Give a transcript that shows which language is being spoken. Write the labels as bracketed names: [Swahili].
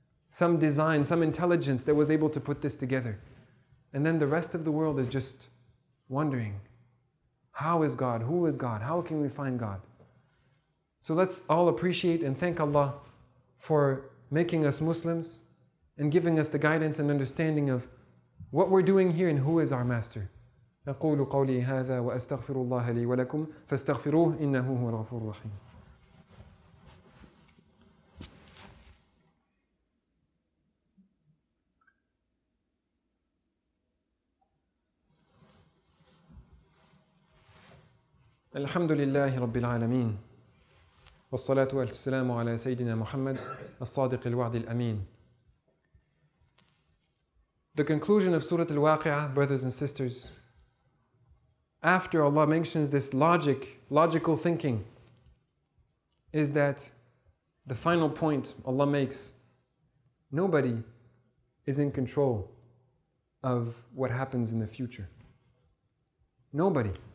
[English] Some design, some intelligence that was able to put this together. And then the rest of the world is just wondering, how is God? Who is God? How can we find God? So let's all appreciate and thank Allah for making us Muslims and giving us the guidance and understanding of what we're doing here and who is our master. [Arabic] أقول قولي هذا وأستغفر الله لي ولكم فاستغفروه إنه هو الغفور الرحيم. الحمد لله رب العالمين والصلاة والسلام على سيدنا محمد الصادق الوعد الأمين. [English] The conclusion of Surah Al-Waqi'ah, brothers and sisters, after Allah mentions this logic, logical thinking, is that the final point Allah makes, nobody is in control of what happens in the future. Nobody.